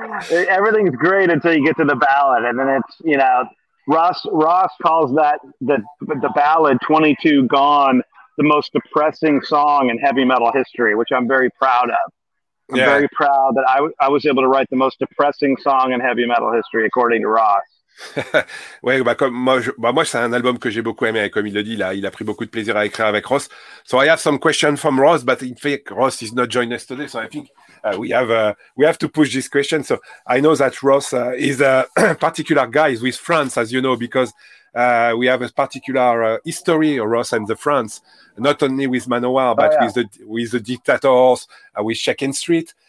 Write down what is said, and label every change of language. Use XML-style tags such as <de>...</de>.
<en>Everything's great until you get to the ballad, and then it's, you know, Ross calls that the ballad 22 Gone the most depressing song in heavy metal history, which I'm very proud of. Very proud that I was able to write the most depressing song in heavy metal history, according to Ross.</en> <fr>Ouais, moi, c'est un album que j'ai beaucoup aimé. Et comme il le dit, là, il a pris beaucoup de plaisir à écrire avec Ross.</fr> <en>So I have some questions from Ross, but in fact, Ross is not joining us today. So I think we have to push this question. So I know that Ross is a particular guy with France, as you know, because we have a particular history, Ross and the France, not only with Manowar, but with the Dictators, with Shaken Street.</en>